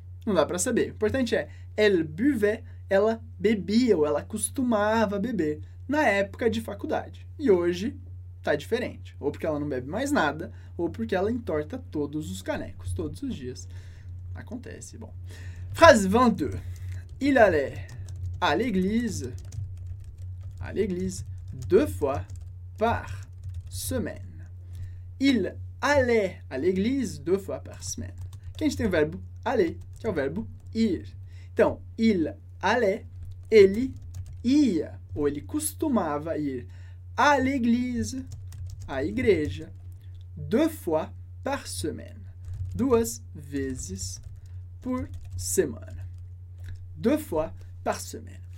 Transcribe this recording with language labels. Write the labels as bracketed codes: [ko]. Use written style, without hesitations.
[pt] Não dá para saber, o importante é, [fr] elle buvait, [pt] ela bebia ou ela costumava beber na época de faculdade. E hoje tá diferente. Ou porque ela não bebe mais nada, ou porque ela entorta todos os canecos, todos os dias. Acontece, bom. Phrase 22. [fr] Il allait à l'église deux fois par semaine. Il allait à l'église deux fois par semaine. [pt] Aqui a gente tem o verbo aller, que é o verbo ir. Então, [fr] il allait, [pt] ele ia, ou ele costumava ir [fr] à l'église, [pt] à igreja, [fr] deux fois par semaine, [pt] duas vezes por semana, deux fois par semaine.